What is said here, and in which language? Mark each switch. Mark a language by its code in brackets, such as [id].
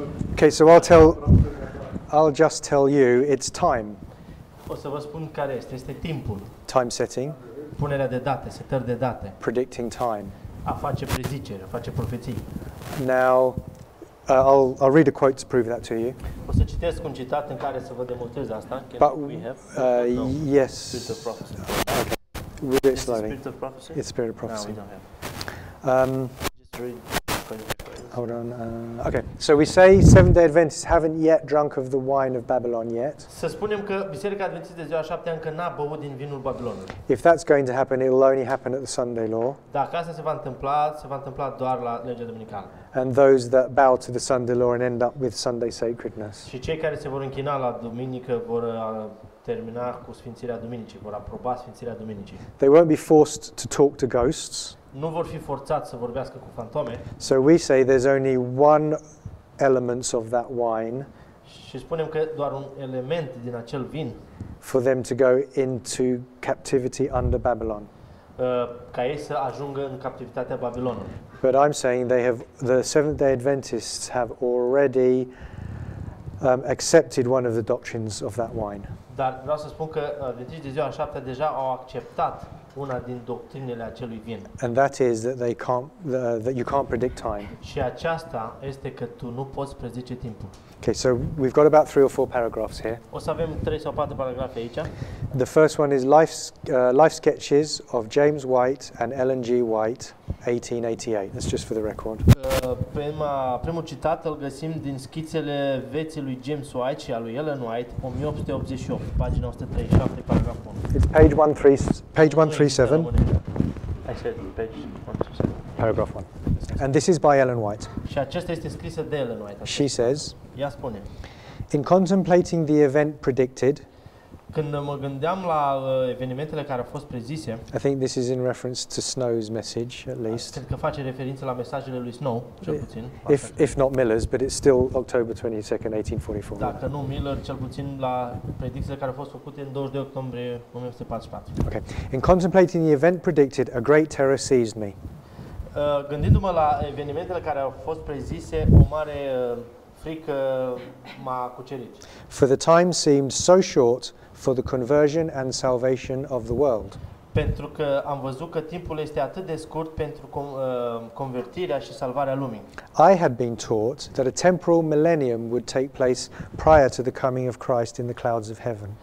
[en] Okay, so I'll just tell you it's time. [ro] O să vă spun care este. Este timpul. [en] Time setting. [ro] Punerea de date, setări de date. [en] Predicting time. [ro] A face prezicere, a face profeții. [en] Now, I'll read a quote to prove that to you. [ro] O să citesc un citat în care să vă demonstrez asta. [en] But we have yes. Spirit of prophecy. Okay. We'll do it slowly. Spirit of prophecy. It's spirit of prophecy. No, we don't have. Just read. Hold on. Okay. So we say Seventh-day Adventists haven't yet drunk of the wine of Babylon yet. [ro] Să spunem că Biserica Adventistă de ziua 7 încă n-a băut din vinul Babilonului. [en] If that's going to happen, it'll only happen at the Sunday law. [ro] Dacă asta se va întâmpla, se va întâmpla doar la legea duminicală. [en] And those that bow to the Sunday law and end up with Sunday sacredness. [ro] Și cei care se vor închina la duminică vor termina cu sfințirea duminicii, vor aproba sfințirea duminicii. [en] They won't be forced to talk to ghosts. [ro] Nu vor fi forțați să vorbească cu fantome. [en] So we say there's only one element of that wine. [ro] Și spunem că doar un element din acel vin. [en] For them to go into captivity under Babylon. [ro] Ca ei să ajungă în captivitatea Babilonului. [en] But I'm saying the Seventh-day Adventists have already accepted one of the doctrines of that wine. [ro] Dar vreau să spun că adventiștii de ziua a șaptea deja au acceptat una din doctrinele acelui vin. [en] And that is that they can't that you can't predict time. [ro] Și aceasta este că tu nu poți predice timpul. [en] Okay, so we've got about 3 or 4 paragraphs here. [ro] O să avem 3 sau 4 paragrafe aici. [en] The first one is life sketches of James White and Ellen G. White, 1888. That's just for the record. [ro] Primul citat îl găsim din schițele vieții lui James White și a lui Ellen White, 1888, pagina 137, paragraful 1. [en] It's page 137. I said page 137. Paragraph 1. And this is by Ellen White. [ro] Și acesta este scrisă de Ellen White. [en] She says, [ro] ea spune, [en] in contemplating the event predicted, [ro] când mă gândeam la evenimentele care au fost prezise, [en] I think this is in reference to Snow's message, at least. [ro] Cred că face referință la mesajele lui Snow, cel puțin. [en] If not Miller's, but it's still October 22nd, 1844. [ro] Dacă nu Miller, cel puțin la predicțiile care au fost făcute în 22 octombrie 1844. [en] Okay. In contemplating the event predicted, a great terror seized me. [ro] Gândindu-mă la evenimentele care au fost prezise, o mare frică m-a cucerit. [en] For the time seemed so short for the conversion and salvation of the world. [ro] Pentru că am văzut că timpul este atât de scurt pentru convertirea și salvarea lumii. [en] I had been taught that a temporal millennium would take place prior to the coming of Christ in the clouds of heaven.